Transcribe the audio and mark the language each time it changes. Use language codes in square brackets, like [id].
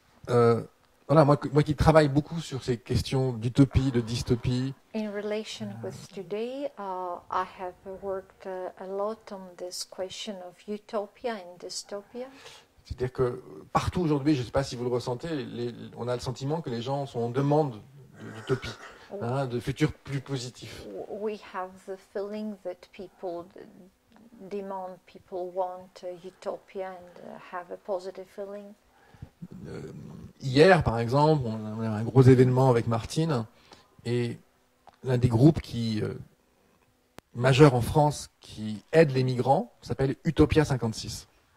[fr] Voilà, moi qui travaille beaucoup sur ces questions d'utopie, de dystopie. [en] In relation with today, I have worked a lot on this question of utopia and dystopia. [fr] C'est-à-dire que partout aujourd'hui, je ne sais pas si vous le ressentez, on a le sentiment que les gens sont en demande d'utopie, hein, de futur plus positif. [en] We have the feeling that people demand, people want a utopia and have a positive feeling. [fr] Hier, par exemple, on a un gros événement avec Martine, et l'un des groupes qui majeur en France qui aide les migrants s'appelle Utopia 56.